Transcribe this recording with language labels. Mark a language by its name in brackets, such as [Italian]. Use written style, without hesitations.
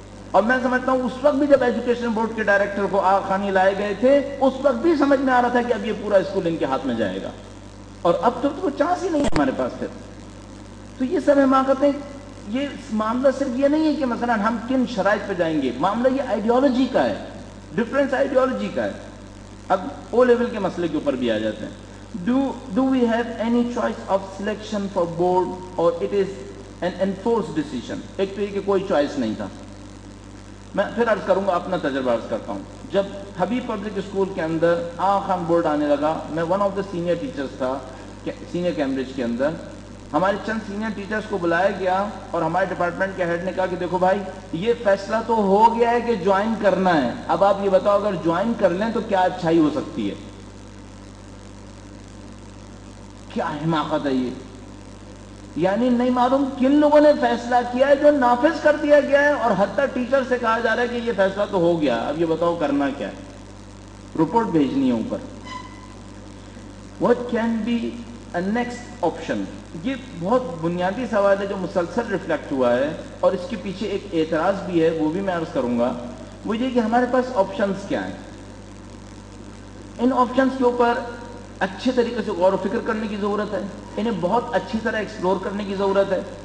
[Urdu] اور میں سمجھتا ہوں اس وقت بھی جب ایجوکیشن بورڈ کے ڈائریکٹر کو آغا خانی لائے گئے تھے, اس وقت بھی سمجھ میں آ رہا تھا کہ اب یہ پورا اسکول ان کے ہاتھ میں جائے گا, اور اب تو کوئی چانس ہی نہیں ہے ہمارے پاس. پھر تو یہ سب حماقتیں, یہ معاملہ صرف یہ نہیں ہے کہ مثلا ہم کن شرائط پہ جائیں گے, معاملہ یہ آئیڈیالوجی کا ہے, ڈفرینس آئیڈیالوجی کا ہے. اب او لیول کے مسئلے کے اوپر بھی آ جاتے ہیں. [English] Do we have any choice of selection for board or it is an enforced decision? [Urdu] ایک تو یہ کہ کوئی چوائس نہیں تھا. میں پھر عرض کروں گا, اپنا تجربہ عرض کرتا ہوں. جب حبیب پبلک اسکول کے اندر آغا خان بورڈ آنے لگا, میں [English] one of the senior teachers [Urdu] تھا سینئر کیمبرج کے اندر. ہمارے چند سینئر ٹیچرس کو بلایا گیا اور ہمارے ڈپارٹمنٹ کے ہیڈ نے کہا کہ دیکھو بھائی یہ فیصلہ تو ہو گیا ہے کہ جوائن کرنا ہے, اب آپ یہ بتاؤ اگر جوائن کر لیں تو کیا اچھائی ہو سکتی ہے؟ کیا حماقت ہے یہ؟ یعنی نہیں معلوم کن لوگوں نے فیصلہ کیا ہے جو نافذ کر دیا گیا ہے, اور حتیٰ ٹیچر سے کہا جا رہا ہے کہ یہ فیصلہ تو ہو گیا, اب یہ بتاؤ کرنا کیا ہے, رپورٹ بھیجنی ہے اوپر. [English] What can be a next option? [Urdu] یہ بہت بنیادی سوال ہے جو مسلسل ریفلیکٹ ہوا ہے, اور اس کے پیچھے ایک اعتراض بھی ہے, وہ بھی میں عرض کروں گا. وہ یہ کہ ہمارے پاس آپشنس کیا ہیں, ان آپشنس کے اوپر اچھے طریقے سے غور و فکر کرنے کی ضرورت ہے، انہیں بہت اچھی طرح ایکسپلور کرنے کی ضرورت ہے.